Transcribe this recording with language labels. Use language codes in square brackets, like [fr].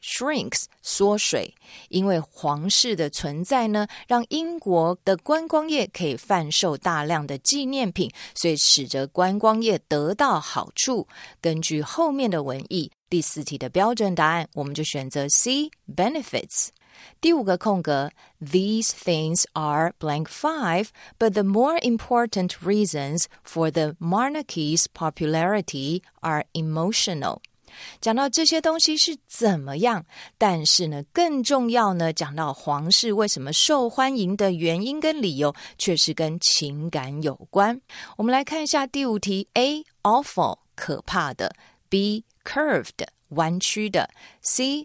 [zh] shrinks 缩水因为皇室的存在呢让英国的观光业可以贩售大量的纪念品所以使得观光业得到好处根据后面的文意第四题的标准答案我们就选择 C. [en] benefits [zh] 第五个空格 [en] These things are blank five, but the more important reasons for the monarchy's popularity are emotional. [zh] 讲到这些东西是怎么样，但是呢，更重要呢，讲到皇室为什么受欢迎的原因跟理由，却是跟情感有关。我们来看一下第五题 A. awful, 可怕的 B. curved, 弯曲的 C.